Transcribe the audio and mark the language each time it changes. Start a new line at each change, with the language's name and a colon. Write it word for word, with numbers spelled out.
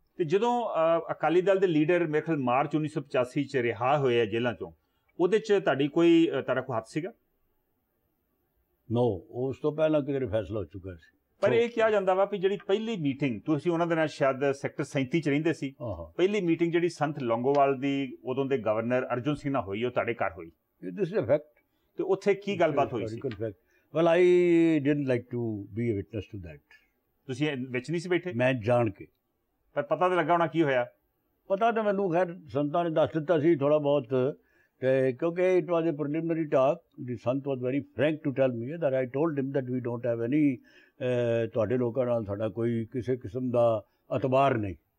Punjabi: ਤੇ ਜਦੋਂ ਅਹ, ਅਕਾਲੀ ਦਲ ਦੇ ਲੀਡਰ ਮੇਰੇ ਖਿਆਲ ਮਾਰਚ ਉੱਨੀ ਸੌ ਪਚਾਸੀ ਚ ਰਿਹਾ ਹੋਏ ਆ ਜੇਲ੍ਹਾਂ ਚੋਂ, ਉਹਦੇ ਚ ਤੁਹਾਡੀ ਕੋਈ ਅਹ, ਤੁਹਾਡਾ ਕੋਈ ਹੱਥ ਸੀਗਾ? ਨੋ, ਉਸ ਤੋਂ ਪਹਿਲਾਂ ਕਿਤੇ ਫੈਸਲਾ ਹੋ ਚੁੱਕਾ ਸੀ। ਪਰ ਇਹ ਕਿਹਾ ਜਾਂਦਾ ਵਾ ਵੀ ਜਿਹੜੀ ਪਹਿਲੀ ਮੀਟਿੰਗ ਤੁਸੀਂ ਉਹਨਾਂ ਦੇ ਨਾਲ ਸ਼ਾਇਦ ਸੈਕਟਰ ਸੈਂਤੀ ਚ ਰਹਿੰਦੇ ਸੀ, ਹਾਂ ਹਾਂ ਪਹਿਲੀ ਮੀਟਿੰਗ ਜਿਹੜੀ ਸੰਤ ਲੌਂਗੋਵਾਲ ਦੀ ਉਦੋਂ ਦੇ ਗਵਰਨਰ ਅਰਜਨ ਸਿੰਘ ਨਾਲ ਹੋਈ, ਉਹ ਤੁਹਾਡੇ ਘਰ ਹੋਈ,
English: this is a fact.
Punjabi: ਤੇ ਉੱਥੇ ਕੀ ਗੱਲਬਾਤ ਹੋਈ ਸੀ?
English: Historical fact. Well, I didn't like to be a witness to that.
Punjabi: ਤੁਸੀਂ ਇਹ ਵਿੱਚ ਨਹੀਂ ਸੀ ਬੈਠੇ, ਮੈਂ ਜਾਣ ਕੇ, ਪਰ ਪਤਾ ਤਾਂ ਲੱਗਾ ਹੋਣਾ ਕੀ ਹੋਇਆ। ਪਤਾ ਤਾਂ ਮੈਨੂੰ ਖੈਰ ਸੰਤਾਂ ਨੇ ਦੱਸ ਦਿੱਤਾ ਸੀ ਥੋੜਾ ਬਹੁਤ, ਤੇ ਕਿਉਂਕਿ
English: it was a preliminary talk, the Sant was very frank to tell me that I told him that we don't have any,
Punjabi: ਤੁਹਾਡੇ ਲੋਕਾਂ ਨਾਲ ਸਾਡਾ ਕੋਈ ਕਿਸੇ ਕਿਸਮ ਦਾ ਅਤਬਾਰ ਨਹੀਂ।